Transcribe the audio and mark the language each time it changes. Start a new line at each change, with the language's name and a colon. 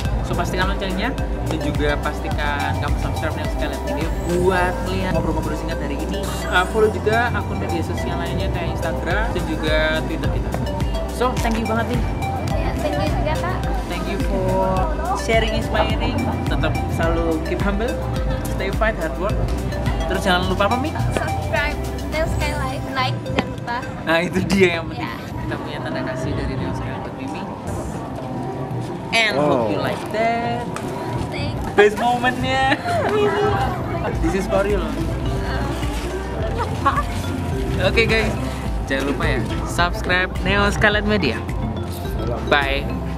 Indonesian: So, pastikan loncengnya dan juga pastikan kamu subscribe Neo Skylight Media buat melihat ngobrol-ngobrol singkat dari ini. Follow juga akun media sosial lainnya kayak Instagram dan juga Twitter kita.
English: So, thank you
Indonesian: banget nih.
English: Thank you
Indonesian: juga, Kak.
English: Thank you for sharing, inspiring.
Indonesian: Tetap selalu
English: keep humble, stay fight, hard work.
Indonesian: Terus jangan lupa apa, Mi? Subscribe Neo Skylight, like, dan nah itu dia yang penting, yeah. Kita punya tanda kasih dari Neo Skylight buat Mimi.
English: And wow, hope you like that. Thanks. Best momentnya. This is for you.
Indonesian: Okay guys, jangan lupa ya subscribe Neo Skylight Media. Bye.